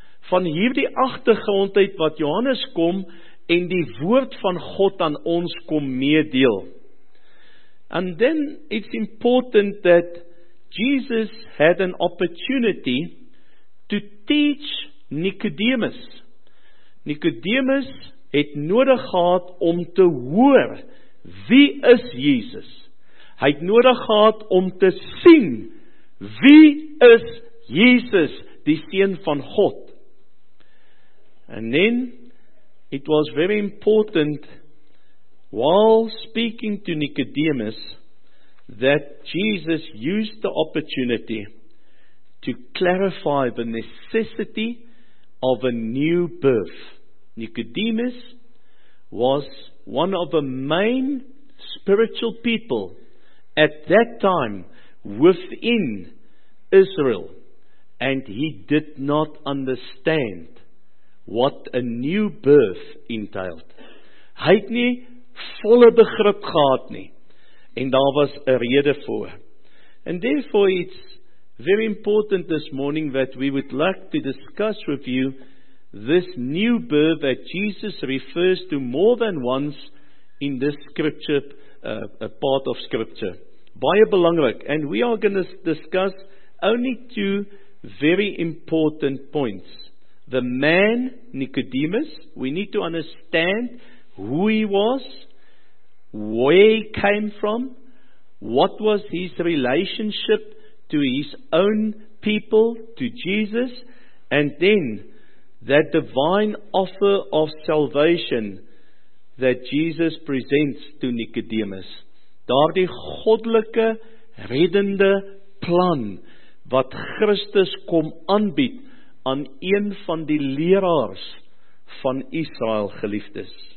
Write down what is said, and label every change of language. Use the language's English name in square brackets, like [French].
[Afrikaans] Van hierdie agtergrond uit wat Johannes kom en die woord van God aan ons kom meedeel. [English] And then it's important that Jesus had an opportunity to teach Nicodemus. [Afrikaans] Nikodemus het nodig gehad om te hoor, wie is Jesus? Hy het nodig gehad om te sien, wie is Jesus, die Seun van God? [English] And then, it was very important, while speaking to Nicodemus, that Jesus used the opportunity to clarify the necessity of a new birth. Nicodemus was one of the main spiritual people at that time within Israel, and he did not understand what a new birth entailed. [Afrikaans] Hy het nie volle begrip gehad nie, en daar was 'n rede voor. [English] And therefore it's very important this morning that we would like to discuss with you this new birth that Jesus refers to more than once in this scripture, a part of scripture. [Afrikaans] Baie belangrik, [English] and we are going to discuss only two very important points. The man, Nicodemus, we need to understand who he was, where he came from, what was his relationship to his own people, to Jesus, and then that divine offer of salvation that Jesus presents to Nicodemus. [Afrikaans] Daardie goddelike reddende plan wat Christus kom aanbied aan een van die leraars van Israel, geliefdes.